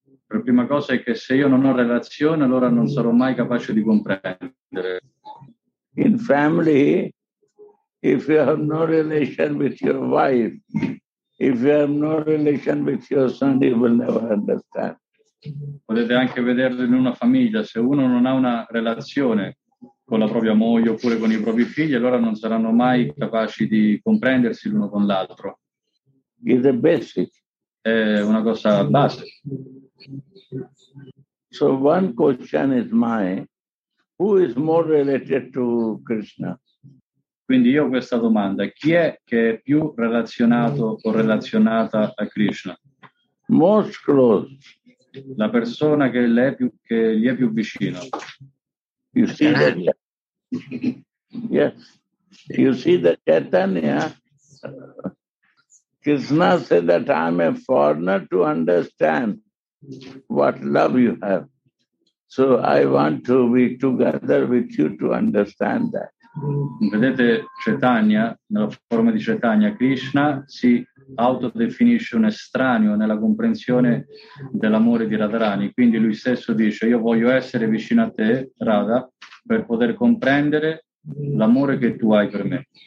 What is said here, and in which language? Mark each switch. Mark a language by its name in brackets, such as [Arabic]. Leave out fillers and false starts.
[Italian] La prima cosa è che se io non ho relazione, allora non sarò mai capace di comprendere. [English] In family, if you have no relation with your wife, if you have no relation with your son, you will never understand. [Italian] Potete anche vederlo in una famiglia. Se uno non ha una relazione con la propria moglie oppure con i propri figli, allora non saranno mai capaci di comprendersi l'uno con l'altro. [English] It's a basic. [Italian] È una cosa base. [English] So one question is mine. Who is more related to Krishna? [Italian] Quindi io ho questa domanda. Chi è che è più relazionato o relazionata a Krishna? [English] Most close. [Italian] La persona che gli è più vicino. [English] You see that? Yes. You see that Chaitanya? Krishna said that I'm a foreigner to understand what love you have. So I want to be together with you to understand that. [Italian] Vedete Chaitanya, nella forma di Chaitanya, Krishna si autodefinisce un estraneo nella comprensione dell'amore di Radharani. Quindi lui stesso dice, io voglio essere vicino a te, Radha, per poter comprendere l'amore che tu hai per me.